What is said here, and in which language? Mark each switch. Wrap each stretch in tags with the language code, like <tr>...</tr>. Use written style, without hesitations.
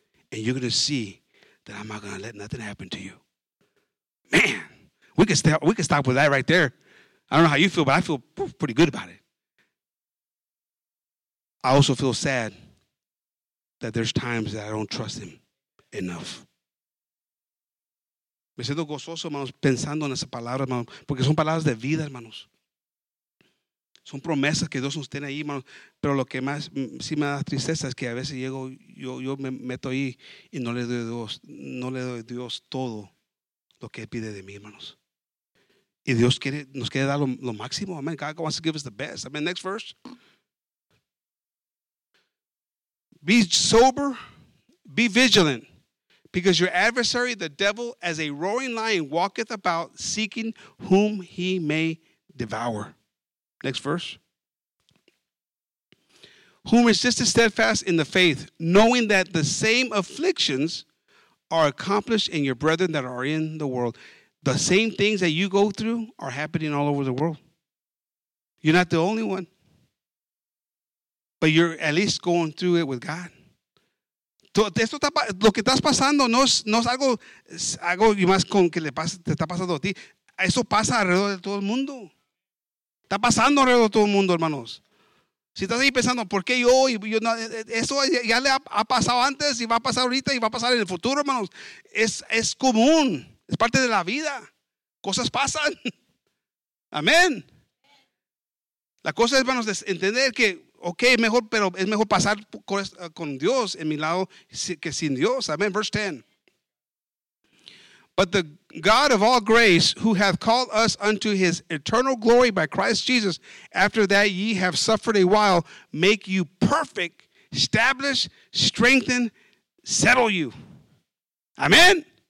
<en>And you're going to see that I'm not going to let nothing happen to you. Man, we can stop with that right there. I don't know how you feel, but I feel pretty good about it. I also feel sad that there's times that I don't trust him enough.</en> <es>Me siento gozoso, hermanos, pensando en esa palabra, hermanos, porque son palabras de vida, hermanos. Son promesas que Dios nos tiene ahí, hermanos. Pero lo que más sí me da tristeza es que a veces llego, yo me meto ahí y no le doy a Dios todo lo que él pide de mí, hermanos. Y Dios quiere, nos quiere dar lo máximo.</es> <en>Amen. God wants to give us the best. Amen. Next verse. Be sober, be vigilant, because your adversary, the devil, as a roaring lion, walketh about seeking whom he may devour. Next verse. Whom resisteth steadfast in the faith, knowing that the same afflictions are accomplished in your brethren that are in the world. The same things that you go through are happening all over the world. You're not the only one. But you're at least going through it with God.</en> <es>Lo que estás pasando no es algo más con que te está pasando a ti. Eso pasa alrededor de todo el mundo. Está pasando alrededor de todo el mundo, hermanos. Si estás ahí pensando, ¿por qué yo? Eso ya le ha pasado antes y va a pasar ahorita y va a pasar en el futuro, hermanos. Es común. Es parte de la vida. Cosas pasan. Amén. La cosa es, hermanos, entender que, ok, mejor, pero es mejor pasar con Dios en mi lado que sin Dios.</es> <en>Amén. Verse 10. But the God of all grace, who hath called us unto his eternal glory by Christ Jesus, after that ye have suffered a while, make you perfect, establish, strengthen, settle you. Amen.</en>